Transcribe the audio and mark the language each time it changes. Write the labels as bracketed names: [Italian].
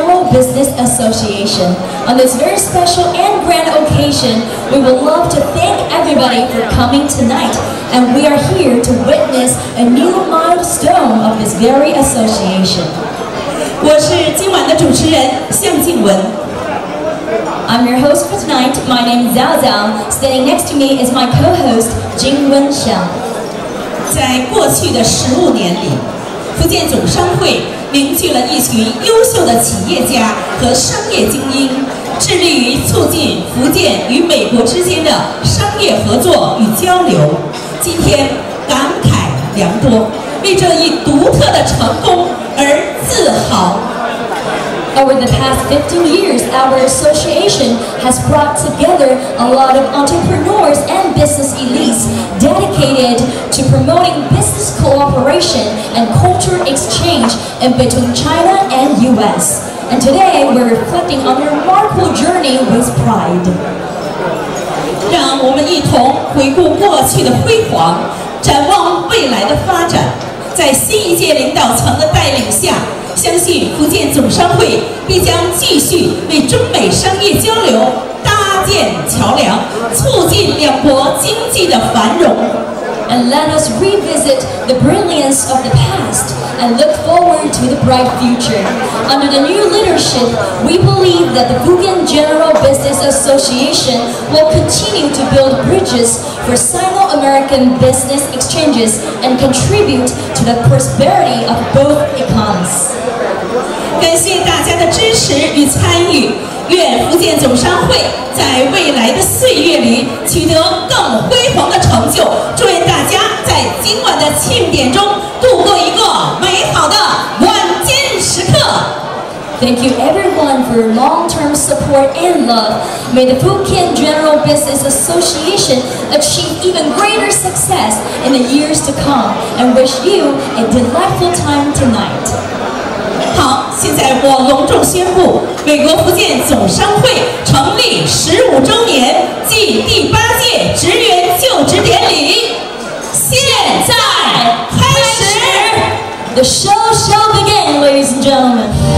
[English] On this very special and grand occasion, we would love to thank everybody for coming tonight, and we are here to witness a new milestone of this very association. [Chinese] 我是今晚的主持人向静文。 [English] I'm your host for tonight. My name is Zhao Zhao. Standing next to me is my co-host Jingwen Xiao. [Chinese] 在过去的十五年里，福建总商会凝聚了一群优秀的企业家和商业精英，致力于促进福建与美国之间的商业合作与交流。今天感慨良多，为这一独特的成功而自豪。 [English] Over the past 15 years, our association has brought together a lot of entrepreneurs and business elites dedicated to promoting business cooperation and culture exchange in between China and US. And today, we're reflecting on a remarkable journey with pride. [Chinese] 让我们一同回顾过去的辉煌，展望未来的发展，在新一届领导层的带领下，相信福建总商会必将继续为中美商业交流搭建桥梁，促进两国经济的繁荣。 [English] And let us revisit the brilliance of the past and look forward to the bright future. Under the new leadership, we believe that the Fujian General Business Association will continue to build bridges for Sino-American business exchanges and contribute to the prosperity of both economies. [Chinese] 感谢大家的支持与参与，愿福建总商会在未来的岁月里取得更辉煌的成就。祝愿大家在今晚的庆典中度过一个美好的晚间时刻。 [English] Thank you everyone for long-term support and love. May the Fujian General Business Association achieve even greater success in the years to come, and wish you a delightful time tonight. [Chinese] 好，现在我隆重宣布美国福建总商会成立十五周年暨第八届职员就职典礼现在开始。 [English] The show shall begin, ladies and gentlemen.